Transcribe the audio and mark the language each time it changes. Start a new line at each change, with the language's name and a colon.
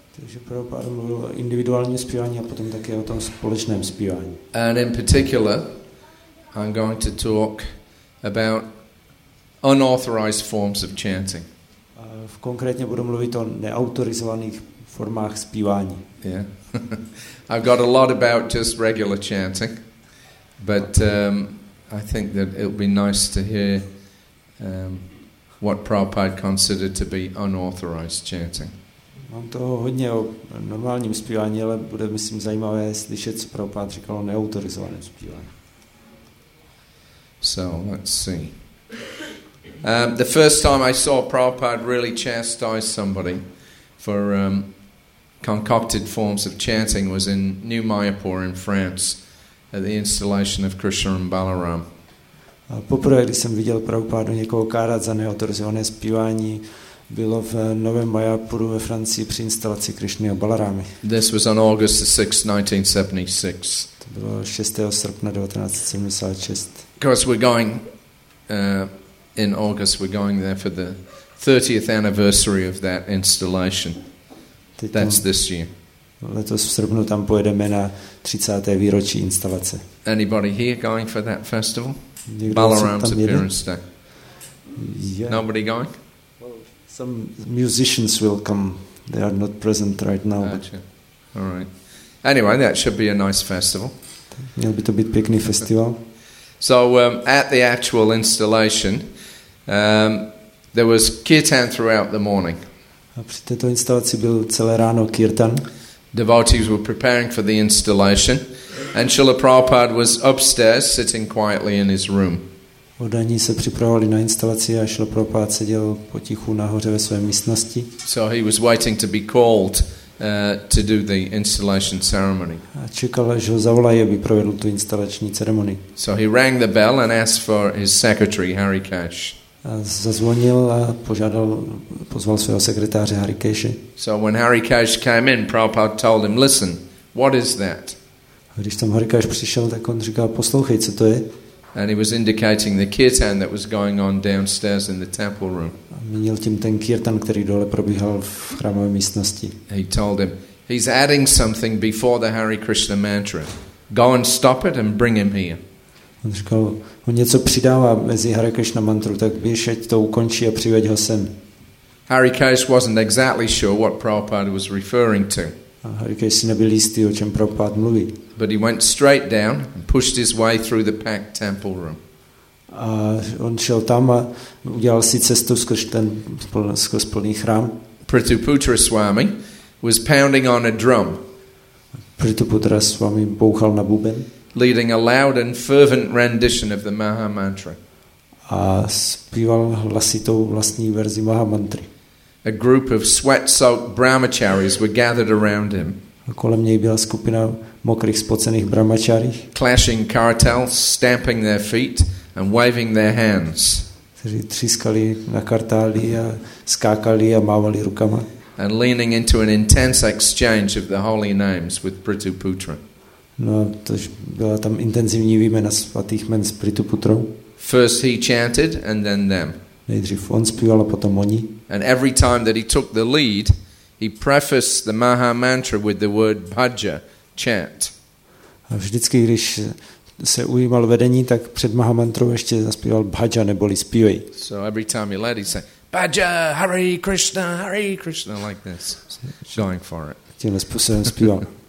Czech: Takže Prabhupada mluvil o individuálním zpívání a potom také o tom společném zpívání.
English: And in particular, I'm going to talk about unauthorized forms of chanting.
Czech: Konkrétně budu mluvit o neautorizovaných formách zpívání.
English: Yeah. I've got a lot about just regular chanting, but I think that it would be nice to hear what Prabhupada considered to be unauthorized chanting.
Czech: Mám toho hodně o normálním zpívání, ale bude, myslím, zajímavé slyšet, co Prabhupád říkal o neautorizovaném zpívání.
English: So, let's see. The first time I saw Prabhupád really chastise somebody for concocted forms of chanting was in New Mayapur in France at the installation of Krishna and Balaram.
Czech: Poprvé, když jsem viděl Prabhupádu někoho kárat za neautorizované zpívání, bylo v Novém Mayapuru ve Francii při instalaci Krišny a Balarámy.
English: This was on August 6, 1976.
Czech: To bylo 6. srpna 1976.
English: Because we're going in August, we're going there for the 30th anniversary of that installation. That's this year.
Czech: Letos v srpnu tam pojedeme na 30. výročí instalace.
English: Anybody here going for that festival? Balarám's appearance day. Yeah. Nobody going? Some musicians will come. They are not present right now. Gotcha. All right. Anyway, that should be a nice festival.
Czech: Měl by to být pěkný festival.
English: So at the actual installation, there was kirtan throughout the morning.
Czech: A při této instalaci byl celé ráno kirtan.
English: Devotees were preparing for the installation, and Srila Prabhupada was upstairs sitting quietly in his room.
Czech: Oddaní se připravovali na instalaci a Srila Prabhupád seděl potichu nahoře ve své místnosti.
English: So he was waiting to be called to do the installation ceremony.
Czech: A čekal, až ho zavolají, aby provedl tu instalační ceremonii.
English: So he rang the bell and asked for his secretary Harikesh.
Czech: A zazvonil a pozval svého sekretáře Harikeshe.
English: So when Harikesh came in, Prabhupád told him, listen, what is that?
Czech: A když tam Harikesh přišel, tak on říkal, poslouchej, co to je?
English: And he was indicating the kirtan that was going on downstairs in the temple room.
Czech: Měl tím ten kirtan, který dole probíhal v chrámové místnosti.
English: He told him, he's adding something before the Hare Krishna mantra. Go and stop it and bring him here.
Czech: On říkal, on něco přidává mezi Hare Krishna mantru, tak běž, ať to ukončí a přiveď ho sem.
English: Harikesh wasn't exactly sure what Prabhupada was referring to.
Czech: Harikesh si nebyl jistý, o čem Prabhupada mluví.
English: But he went straight down and pushed his way through the packed temple room.
Czech: A on šel tam a udělal si cestu skrz ten plný chrám.
English: Prituputra Swami was pounding on a drum.
Czech: Prituputra Swami bouchal na buben.
English: Leading a loud and fervent rendition of the Maha Mantra.
Czech: A zpíval hlasitou vlastní verzi Maha Mantry.
English: A group of sweat-soaked brahmacharis were gathered around him.
Czech: A kolem něj byla skupina mokrých spocených brahmacharí.
English: Clashing kartels, stamping their feet and waving their hands.
Czech: Kteří třískali na kartály a skákali a mávali rukama.
English: And leaning into an intense exchange of the holy names with Prituputra.
Czech: No, to byla tam intenzivní výměna svatých jmen s Prituputrou.
English: First he chanted and then them.
Czech: Nejdřív on zpíval a potom oni.
English: And every time that he took the lead, he prefaced the Maha Mantra with the word bhaja, chant.
Czech: A vždycky, když se ujímal vedení, tak před Mahamantrou ještě zaspíval Bhaja neboli zpívej.
English: So every time he led, he said, Bhaja, Hare Krishna, like this, going for it.
Czech: Tímhle způsobem zpíval.